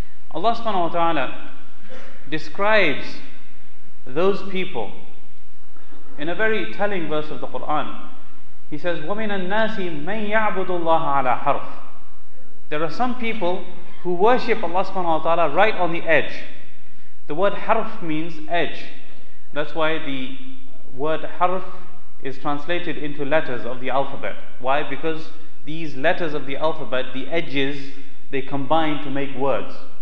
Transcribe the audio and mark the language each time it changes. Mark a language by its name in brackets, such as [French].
[English] Allah subhanahu wa ta'ala describes those people in a very telling verse of the Quran. He says, [Arabic] وَمِنَ النَّاسِ مَنْ يَعْبُدُ اللَّهَ عَلَى حَرْفٍ. [English] There are some people who worship Allah subhanahu wa ta'ala right on the edge. The word harf means edge. That's why the word harf is translated into letters of the alphabet. Why? Because these letters of the alphabet, the edges, they combine to make words.